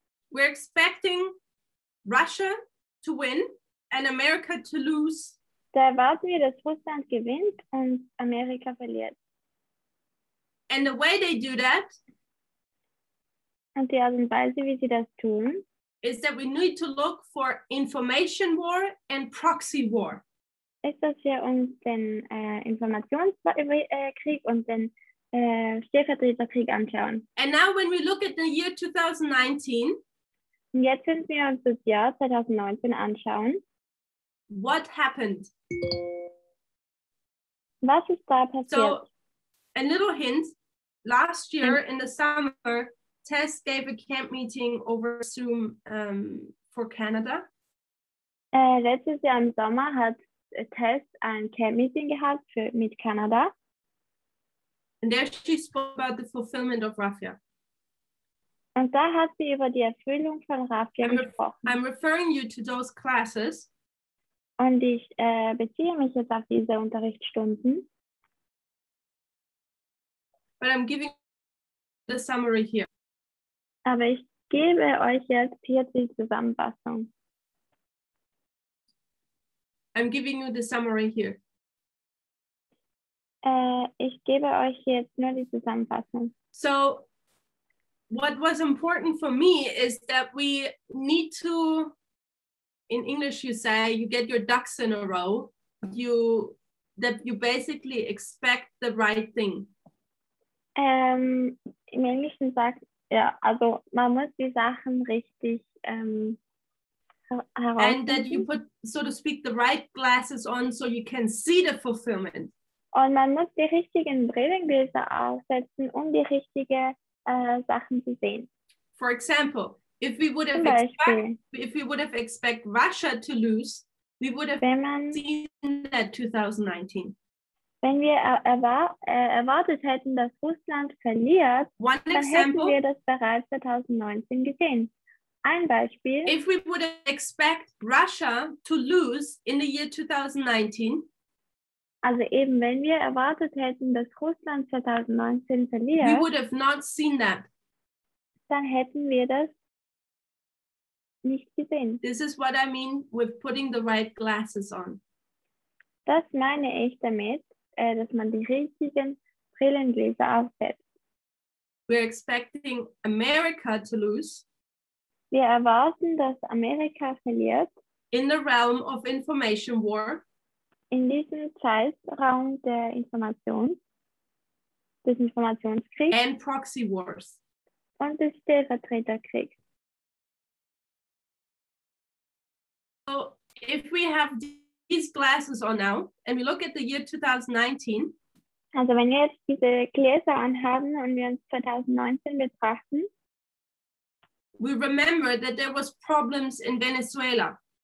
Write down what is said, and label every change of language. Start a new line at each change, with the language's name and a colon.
English: we're expecting Russia to win and America to lose.
German: Da erwarten wir, dass Russland gewinnt und Amerika verliert.
English: And the way they do that,
German: und die Art und Weise, wie sie das tun,
English: is that we need to look for information war and proxy war.
German: Ist, dass wir uns den Informationskrieg und den Stellvertreterkrieg anschauen.
English: And now when we look at the year 2019,
German: jetzt sind wir uns das Jahr 2019 anschauen.
English: What happened?
German: Was ist da passiert?
English: So, a little hint. Last year in the summer, Tess gave a camp meeting over Zoom for Canada.
German: Letztes Jahr im Sommer hat Tess ein Camp Meeting gehabt mit Kanada.
English: And there she spoke about the fulfillment of Rafia.
German: Und da hat sie über die Erfüllung von Rafia gesprochen.
English: I'm referring you to those classes.
German: Und ich beziehe mich jetzt auf diese Unterrichtsstunden.
English: But I'm giving the summary here.
German: Aber ich gebe euch jetzt hier die Zusammenfassung.
English: I'm giving you the summary here.
German: Ich gebe euch jetzt nur die Zusammenfassung.
English: So, what was important for me is that we need to, in English you say, you get your ducks in a row, you basically expect the right thing.
German: Im Englischen sagt, ja, also man muss die Sachen richtig herausfinden.
English: And that you put, so to speak, the right glasses on, so you can see the fulfillment.
German: Und man muss die richtigen Brillengläser aufsetzen, um die richtigen Sachen zu sehen.
English: For example, if we would have expect Russia to lose, we would have seen that 2019.
German: Wenn wir erwartet hätten, dass Russland verliert,
English: One
German: dann
English: example,
German: hätten wir das bereits 2019 gesehen. Ein Beispiel.
English: If we would have expect Russia to lose in the year 2019,
German: Also eben, wenn wir erwartet hätten, dass Russland 2019 verliert,
English: we would have not seen that.
German: Dann hätten wir das nicht gesehen.
English: This is what I mean with putting the right glasses on.
German: Das meine ich damit, dass man die richtigen Brillengläser aufsetzt.
English: We're expecting America to lose.
German: Wir erwarten, dass Amerika verliert.
English: In the realm of information war.
German: In diesem Zeitraum der Information, des Informationskriegs.
English: And proxy wars.
German: Und des Stellvertreterkriegs.
English: So, if we have these glasses on now, and we look at the year 2019.
German: Also wenn wir jetzt diese Gläser anhaben und wir uns 2019 betrachten.
English: We remember that there was problems in Venezuela.